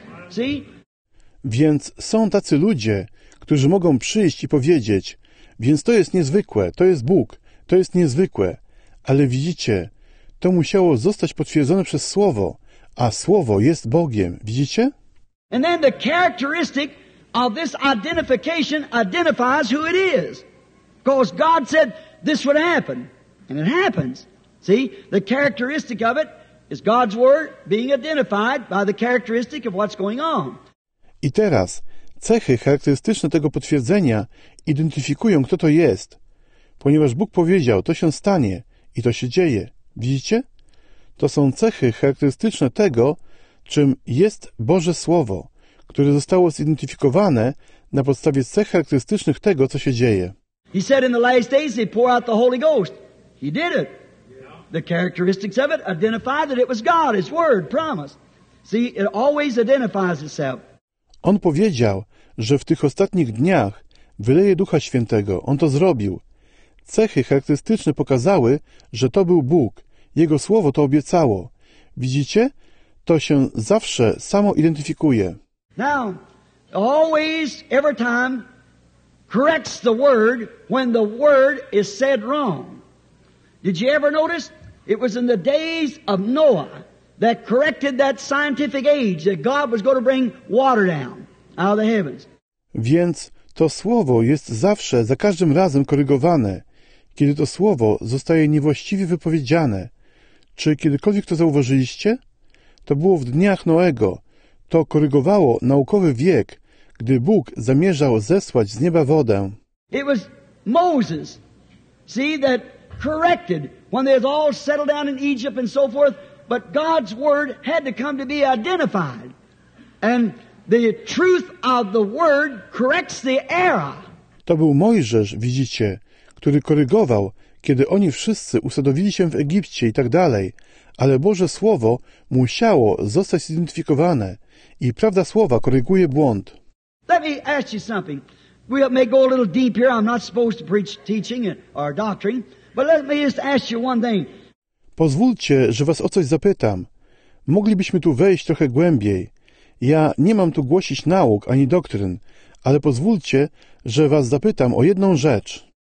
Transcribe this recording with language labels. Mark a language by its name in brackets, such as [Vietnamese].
[English] See? [Polish] Więc są tacy ludzie, którzy mogą przyjść i powiedzieć, więc to jest niezwykłe, to jest Bóg, to jest niezwykłe. Ale widzicie, to musiało zostać potwierdzone przez Słowo, a Słowo jest Bogiem. Widzicie? [English] And then the characteristic of this identification identifies who it is. Because God said this would happen, and it happens. See, the characteristic of it is God's word being identified by the characteristic of what's going on. [Polish] I teraz cechy charakterystyczne tego potwierdzenia identyfikują, kto to jest. Ponieważ Bóg powiedział, to się stanie i to się dzieje. Widzicie? To są cechy charakterystyczne tego, czym jest Boże Słowo, które zostało zidentyfikowane na podstawie cech charakterystycznych tego, co się dzieje. [English] He said in the last days he pour out the Holy Ghost. He did it. the characteristics of it identify that it was God, His Word, promise. See, it always identifies itself. [Polish] On powiedział, że w tych ostatnich dniach wyleje Ducha Świętego. On to zrobił. Cechy charakterystyczne pokazały, że to był Bóg. Jego słowo to obiecało. Widzicie? To się zawsze samo identyfikuje. [English] Now, always, every time, corrects the word when the word is said wrong. Did you ever notice? It was in the days of Noah that corrected that scientific age that God was going to bring water down out of the heavens. [Polish] Więc to słowo jest zawsze, za każdym razem korygowane, kiedy to słowo zostaje niewłaściwie wypowiedziane. Czy kiedykolwiek to zauważyliście? To było w dniach Noego. To korygowało naukowy wiek, gdy Bóg zamierzał zesłać z nieba wodę. [English] It was Moses, see, that corrected when they had all settled down in Egypt and so forth, but God's word had to come to be identified. And the truth of the word corrects the error. [Polish] To był Mojżesz, widzicie, który korygował, kiedy oni wszyscy usadowili się w Egipcie i tak dalej, ale Boże Słowo musiało zostać zidentyfikowane i prawda słowa koryguje błąd. [English] Let me ask you something. We may go a little deep here. I'm not supposed to preach teaching or doctrine, but let me just ask you one thing. [Polish] Pozwólcie, że was o coś zapytam. Moglibyśmy tu wejść trochę głębiej. Ja nie mam tu głosić nauk ani doktryn, ale pozwólcie, że was zapytam o jedną rzecz.